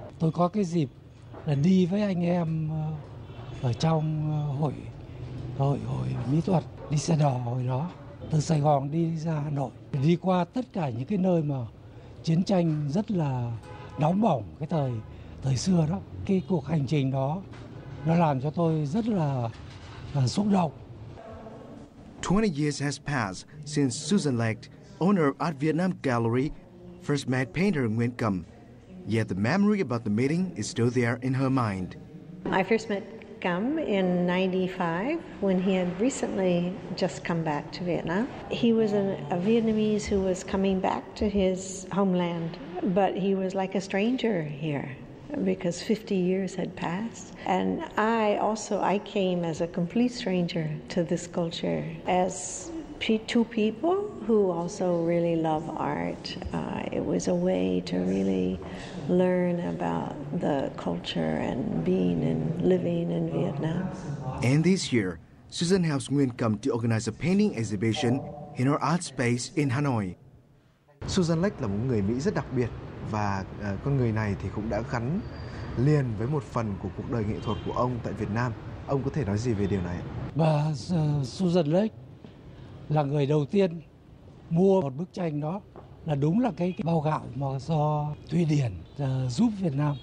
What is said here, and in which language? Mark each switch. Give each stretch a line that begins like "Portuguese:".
Vietnamese: Tôi có cái dịp là đi với anh em ở trong hội mỹ thuật đi xe đò hồi đó. Từ Sài Gòn đi ra Hà Nội, đi qua tất cả những cái nơi mà chiến tranh rất là nóng bỏng cái thời xưa đó. Cái cuộc hành trình đó nó làm cho tôi rất là xúc động.
English: 20 years has passed since Susan Lecht, owner of Art Vietnam Gallery, first met painter Nguyễn Cầm. Yet the memory about the meeting is still there in her mind. I first met Cầm in 95 when he had recently just come back to Vietnam. He was a Vietnamese who was coming back to his homeland, but he was like a stranger here because 50 years had passed. And I came as a complete stranger to this culture, as two people who also really love art. It was a way to really learn about the culture and being and living in Vietnam. And this year, Susan helps Nguyễn Cầm to organize a painting exhibition in her art space in Hanoi.
Vietnamese: Susan Lech là một người Mỹ rất đặc biệt, và con người này thì cũng đã gắn liền với một phần của cuộc đời nghệ thuật của ông tại Việt Nam. Ông có thể nói gì về điều này? Bà Susan Lech là người đầu tiên mua một bức tranh đó, là đúng là cái bao gạo mà do Thụy Điển giúp Việt Nam.